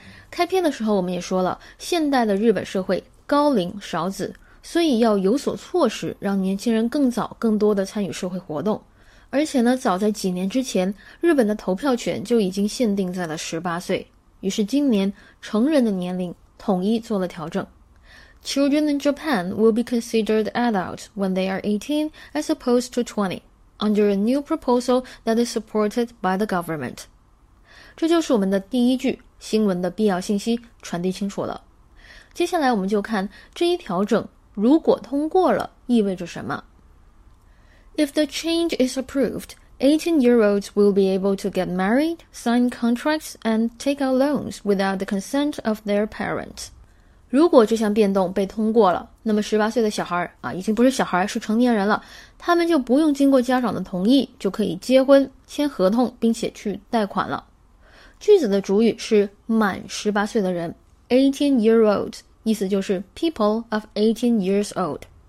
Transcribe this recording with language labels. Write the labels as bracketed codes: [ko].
[zh] 开篇的时候我们也说了，现代的日本社会高龄少子。所以要有所措施，让年轻人更早更多地参与社会活动。而且呢，早在几年之前，日本的投票权就已经限定在了18岁。于是今年成人的年龄统一做了调整。 [en] Children in Japan will be considered adults when they are 18 as opposed to 20 under a new proposal that is supported by the government. [zh] 这就是我们的第一句，新闻的必要信息传递清楚了。接下来我们就看这一调整如果通过了意味着什么。 [en] If the change is approved, 18-year-olds will be able to get married, sign contracts, and take out loans without the consent of their parents. [zh] 如果这项变动被通过了，那么18岁的小孩啊，已经不是小孩，是成年人了，他们就不用经过家长的同意就可以结婚、签合同并且去贷款了。句子的主语是满18岁的人， 18-year-old, 意思就是 people of 18 years old.